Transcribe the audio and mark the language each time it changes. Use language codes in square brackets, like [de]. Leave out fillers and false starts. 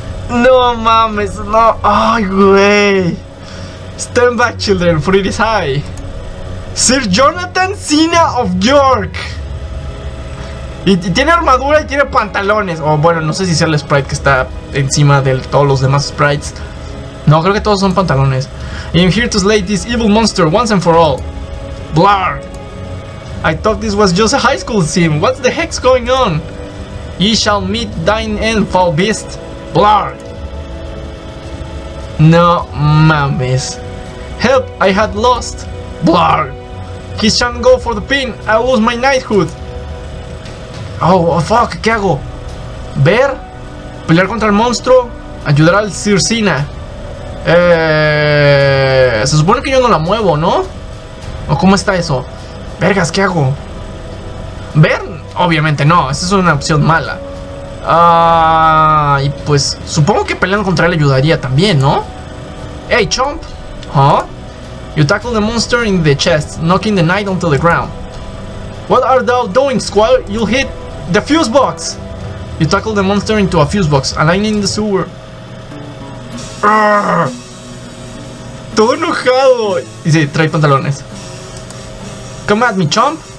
[es] No mames, no. ¡Ay, güey! [en] Stand back, children, for it is I. Sir Jonathan Cena of York. [es] Y tiene armadura y tiene pantalones. O bueno, no sé si sea el sprite que está encima de todos los demás sprites. No, creo que todos son pantalones. [en] I'm here to slay this evil monster once and for all. Blar. I thought this was just a high school sim. What the heck's going on? Ye shall meet thine end, foul beast. Blar. [es] No mames. [en] Help, I had lost. Blar. He shan't go for the pin. I lose my knighthood. Oh, fuck, [es] ¿qué hago? ¿Ver? ¿Pelear contra el monstruo? ¿Ayudar al Sir Cena? Se supone que yo no la muevo, ¿no? ¿O cómo está eso? Vergas, ¿qué hago? ¿Ver? Obviamente no, esa es una opción mala. Y pues, supongo que pelear contra él ayudaría también, ¿no? [en] Hey, Chomp. ¿Huh? You tackle the monster in the chest, knocking the knight onto the ground. What are thou doing, squire? You'll hit the fuse box. You tackle the monster into a fuse box, aligning the sewer. Arr! [es] Todo enojado. Y sí, trae pantalones. [en] Come at me, chump.